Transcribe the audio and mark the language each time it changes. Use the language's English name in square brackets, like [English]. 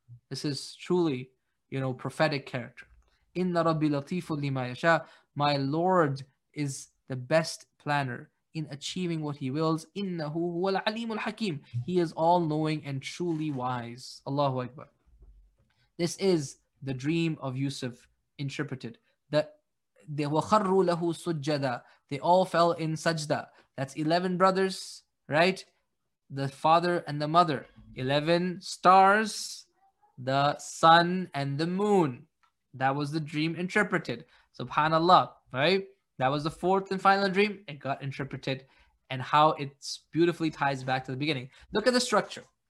[English] This is truly, you know, prophetic character. [Arabic] Inna Rabbi Latifun Lima Yasha. [English] My Lord is the best planner in achieving what he wills. [Arabic] Innahu huwal alimul hakim. [English] He is all knowing and truly wise. Allahu Akbar. This is the dream of Yusuf interpreted. That they [Arabic] وَخَرُّوا لَهُ سُجَّدًا. [English] They all fell in sajda. That's 11 brothers, right? The father and the mother. 11 stars, the sun and the moon. That was the dream interpreted. Subhanallah, right? That was the fourth and final dream. It got interpreted. And how it beautifully ties back to the beginning. Look at the structure.